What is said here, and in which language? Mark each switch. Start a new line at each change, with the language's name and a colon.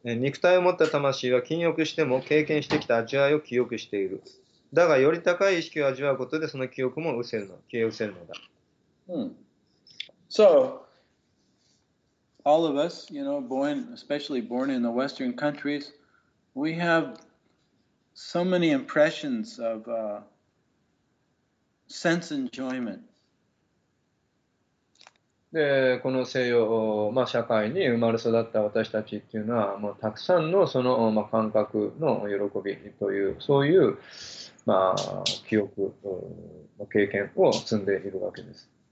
Japanese: 肉体を持った魂は禁欲しても経験してきた味わいを記憶している。だがより高い意識を味わうことでその記憶も失せるの、消え失せるのだ。
English: So, all of us, you know, born, especially born in the Western countries, we have so many impressions of, Sense enjoyment.
Japanese: で、この西洋、社会に生まれ育った私たちっていうのは、もうたくさんのその、感覚の喜びという、そういう、記憶、経験を積んでいるわけです。